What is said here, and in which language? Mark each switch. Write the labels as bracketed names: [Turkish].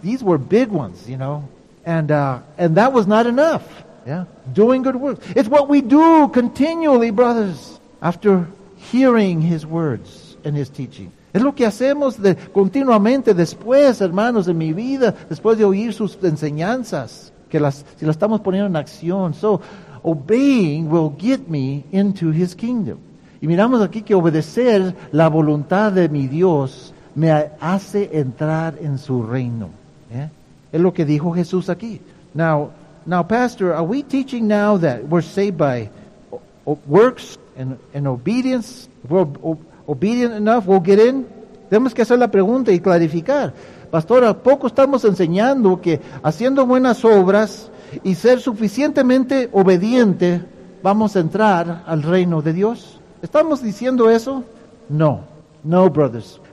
[English] These were big ones, you know. And that was not enough. Yeah, doing good works. It's what we do continually, brothers, after hearing his words and his teaching. [Spanish] Es lo que hacemos continuamente después, hermanos, en mi vida, después de oír sus enseñanzas, si las estamos poniendo en acción. [English] So, obeying will get me into his kingdom. [Spanish] Y miramos aquí que obedecer la voluntad de mi Dios me hace entrar en su reino. ¿Eh? Es lo que dijo Jesús aquí. [English] Now, pastor, are we teaching now that we're saved by works and obedience? Obedient enough, we'll get in. [Spanish] Tenemos que hacer la pregunta y clarificar. Pastor, ¿a poco estamos enseñando que haciendo buenas obras y ser suficientemente obediente vamos a entrar al reino de Dios? ¿Estamos diciendo eso? No. No, brothers.